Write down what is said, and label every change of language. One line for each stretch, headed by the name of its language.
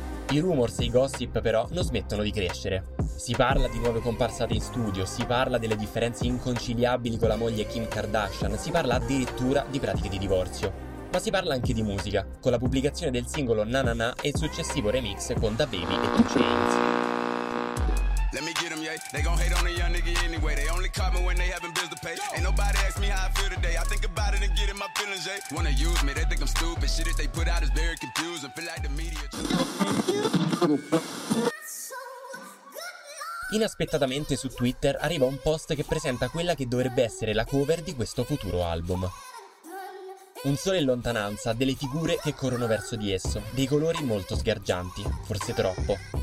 Italian: I rumors e i gossip però non smettono di crescere. Si parla di nuove comparsate in studio, si parla delle differenze inconciliabili con la moglie Kim Kardashian, si parla addirittura di pratiche di divorzio. Ma si parla anche di musica, con la pubblicazione del singolo Na Na Na e il successivo remix con Da Baby e 2 Chainz.
English: Let me get them, yeah. They gon' hate on a young nigga anyway. They only call me when they having bills to pay. Yo. Ain't nobody ask me how I feel today. I think about it and get in my feelings, yeah. Wanna use me, they think I'm stupid. Shit, if they put out is very confusing. Feel like the media.
Italian: Inaspettatamente su Twitter arriva un post che presenta quella che dovrebbe essere la cover di questo futuro album. Un sole in lontananza, delle figure che corrono verso di esso, dei colori molto sgargianti, forse troppo.